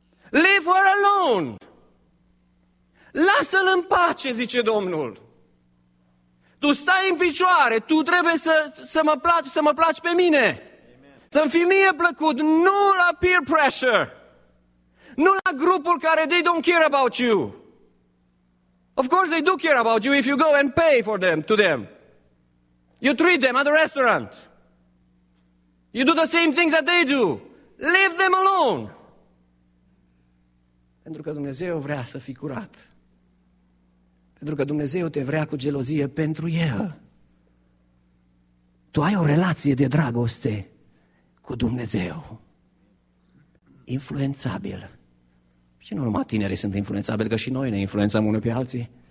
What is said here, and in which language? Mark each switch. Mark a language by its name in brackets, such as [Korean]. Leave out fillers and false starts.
[English] Leave her alone! [Romanian] Lasă-l în pace, zice Domnul. Tu stai în picioare, tu trebuie să mă placi pe mine. Amen. Să-mi fii mie plăcut, nu la peer pressure. Nu la grupul care [English] they don't care about you. Of course they do care about you if you go and pay for them, to them. You treat them at the restaurant. You do the same things that they do. Leave them alone. [Romanian] Pentru că Dumnezeu vrea să fii curat. Pentru că Dumnezeu te vrea cu gelozie pentru El. Tu ai o relație de dragoste cu Dumnezeu. Influențabil. Și nu numai tinerii sunt influențabili, că și noi ne influențăm unii pe alții.